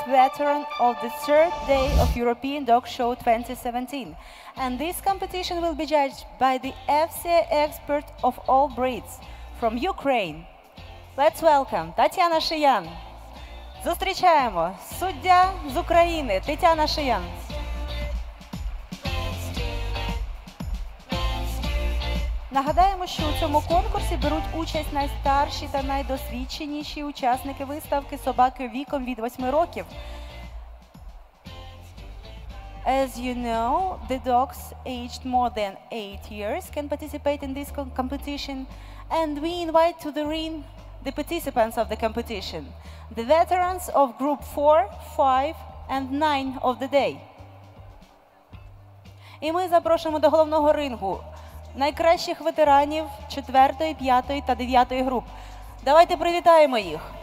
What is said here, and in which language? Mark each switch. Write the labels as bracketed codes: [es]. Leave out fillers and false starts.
[en] veteran of the third day of European Dog Show 2017. And this competition will be judged by the FCA expert of all breeds from Ukraine. Let's welcome Тетяна Шиян. [uk] Зустрічаємо суддя з України Тетяна Шиян. Нагадаємо, що у цьому конкурсі беруть участь найстарші та найдосвідченіші учасники виставки собаки віком від 8 років. [en] As you know, the dogs aged more than 8 years can participate in this competition, and we invite to the ring the participants of the competition, the veterans of group 4, 5 and 9 of the day. [uk] І ми запрошуємо до головного рингу найкращих ветеранів 4, 5 та 9 груп. Давайте привітаємо їх.